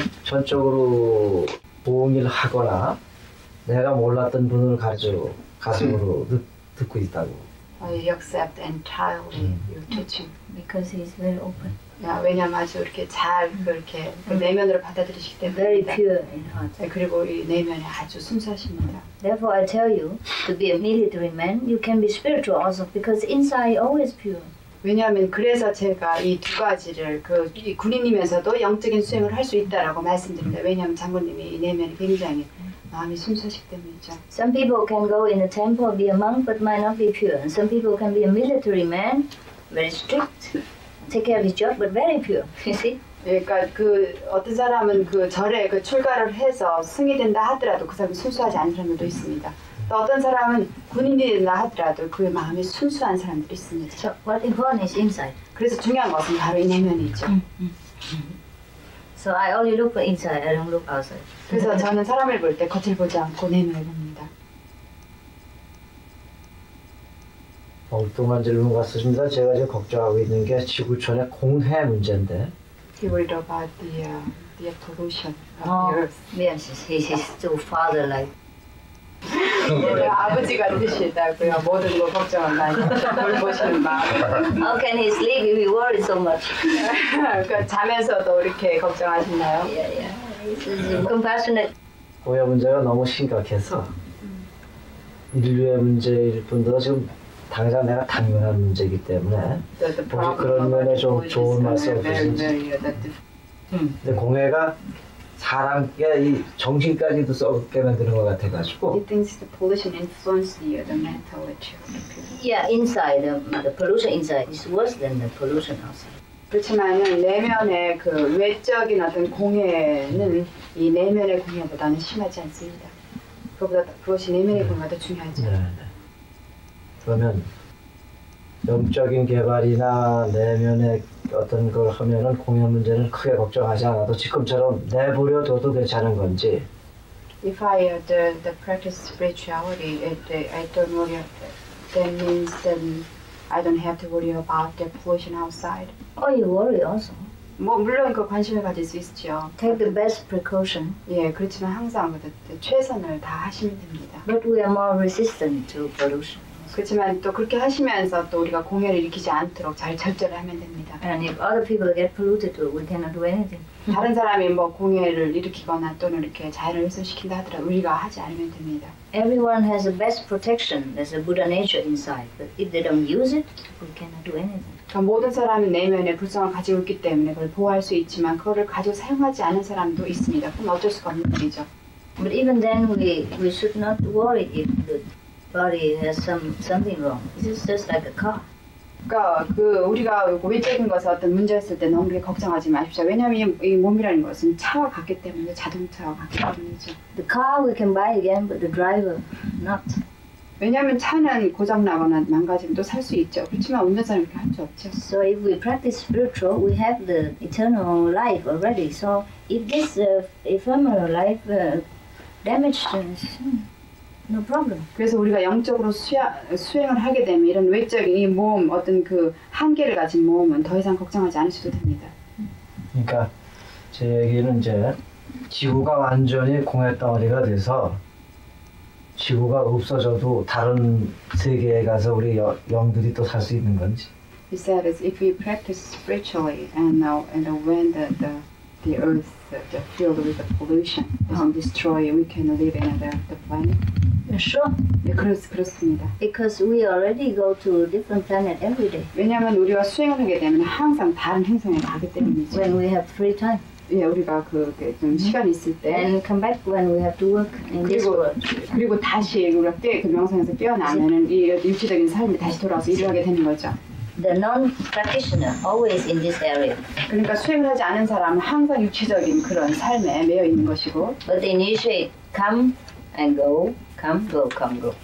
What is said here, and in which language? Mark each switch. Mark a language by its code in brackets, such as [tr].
[ko] 전적으로 동의를 하거나 내가 몰랐던 분을 가지고 가슴으로 듣고 있다고. [en] He accept entirely your teaching because he's very open. [ko] 왜냐면 아주 이렇게 잘 그렇게 그 내면으로 받아들이시기 때문에 [en] very pure in heart. [ko] 그리고 이 내면이 아주 순수하십니다. [en] Therefore, I tell you to be a military man. You can be spiritual also because inside always pure. [ko] 왜냐하면 그래서 제가 이 두 가지를 그 이 군인님에서도 영적인 수행을 할 수 있다라고 말씀드립니다. 왜냐하면 장군님이 이 내면이 굉장히 마음이 순수하시기 때문이죠. [en] Some people can go in a temple be a monk but might not be pure. And some people can be a military man, very strict. Take care of his job, but very pure. You see? [ko] 그러니까 그 어떤 사람은 그 절에 그 출가를 해서 승이 된다 하더라도 그 사람이 순수하지 않은 사람들도 있습니다. 또 어떤 사람은 군인이 된다 하더라도 그의 마음이 순수한 사람들이 있습니다. [en] So what important is inside? [ko] 그래서 중요한 것은 바로 이 내면이죠. [en] So I only look for inside, I don't look outside. [ko] 그래서 저는 사람을 볼 때 겉을 보지 않고 내면을 봅니다. 엉뚱한 질문 같습니다. 제가 지금 걱정하고 있는 게 지구촌의 공해 문제인데. [en] He worried about the pollution of the earth. Yes, he's too fatherlike. [ko] 네, 아버지가 되시다고요. 모든 걸 걱정한다니까. 뭘 보시는 마음. [en] How can he sleep if he worries so much? [ko] 그러니까 자면서도 이렇게 걱정하시나요? [en] Yeah. Compassionate. [ko] 공해 문제가 너무 심각해서 인류의 문제일 뿐더러 지금 당장 내가 당면한 문제이기 때문에 혹시 그런 면에 좀 좋은 말씀 없으신지. 근데 공해가 사람께 이 정신까지도 썩게 만드는 것 같아가지고. [en] He thinks the pollution influences the mental attitude. Yeah, inside the pollution inside is worse than the pollution outside. [ko] 그렇지만은 내면의 그 외적인 어떤 공해는 이 내면의 공해보다는 심하지 않습니다. 그보다 그것이 내면의 공해가 더 중요하죠. 그러면 영적인 개발이나 내면의 어떤 걸 하면은 공연 문제는 크게 걱정하지 않아도 지금처럼 내버려둬도 괜찮은 건지. [en] If I the practice spirituality, I don't worry. That means then I don't have to worry about the pollution outside. Oh, you worry also. [ko] 뭐 물론 그 관심을 가질 수 있죠. [en] Take the best precaution. [ko] 예, 그렇지만 항상 최선을 다하시면 됩니다. [en] But we are more resistant to pollution. [ko] 그렇지만 또 그렇게 하시면서 또 우리가 공해를 일으키지 않도록 잘 절제를 하면 됩니다. [en] And if other people get polluted, we cannot do anything. [ko] 다른 사람이 뭐 공해를 일으키거나 또는 이렇게 자연을 훼손시킨다 하더라도 우리가 하지 않으면 됩니다. [en] Everyone has the best protection. There's a Buddha nature inside. But if they don't use it, we cannot do anything. [ko] 모든 사람이 내면의 불성을 가지고 있기 때문에 그걸 보호할 수 있지만 그거를 가지고 사용하지 않은 사람도 있습니다. 그럼 어쩔 수가 없는 일이죠. [en] But even then, we should not worry if the body has something wrong. This is just like a car. [ko] 그 우리가 외적인 것에 어떤 문제였을 때 너무 걱정하지 마십시오. 왜냐하면 이 몸이라는 것은 차와 같기 때문에 자동차와 같기 때문이죠. [en] The car we can buy again, but the driver not. [ko] 왜냐하면 차는 고장나거나 망가지면 또 살 수 있죠. 그렇지만 운전자는 그렇게 할 수 없죠. [en] So if we practice spiritual, we have the eternal life already. So if this ephemeral life damaged us, no problem. [ko] 그래서 우리가 영적으로 수행을 하게 되면 이런 외적인 이 몸 어떤 그 한계를 가진 몸은 더 이상 걱정하지 않으셔도 됩니다. 그러니까 제 얘기는 이제 지구가 완전히 공해덩어리가 돼서 지구가 없어져도 다른 세계에 가서 우리 영들이 또 살 수 있는 건지. [en] He said is if we practice spiritually and when the earth the filled with the pollution is destroyed, we can live in another planet. Sure. [ko] 네, 그렇습니다. [en] Because we already go to different planet every day. [ko] 왜냐하면 우리가 수행을 하게 되면 항상 다른 행성에 가기 때문이죠. [en] When we have free time. [ko] 예, 우리가 그 좀 시간 있을 때. [en] And come back when we have to work in this world. [ko] 그리고 다시 우리가 그 명상에서 깨어나면은 이 육체적인 삶이 다시 돌아와서 일하게 되는 거죠. [en] The non-practitioner always in this area. [ko] 그러니까 수행을 하지 않은 사람은 항상 육체적인 그런 삶에 매여 있는 것이고. [en] But the initiate come and go. Come, go, come, go.